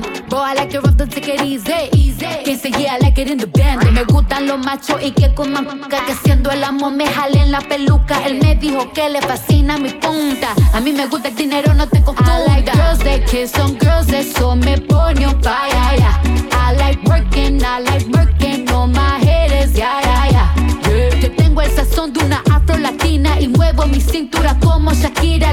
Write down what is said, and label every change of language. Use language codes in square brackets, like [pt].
[en] Boy, I like it rough, don't take it easy. Can't say yeah, I like it in the band. [es] Que me gustan los machos y que coman c***a. Que haciendo el amor me jale en la peluca. Él me dijo que le fascina mi punta. A mí me gusta el dinero, no te confunda. [en] I like girls that kiss on girls, [es] eso me pone [en] on fire, yeah, yeah. I like working on my haters, yeah, yeah, yeah. [es] Yo tengo el sazón de una afro latina y muevo mi cintura como Shakira.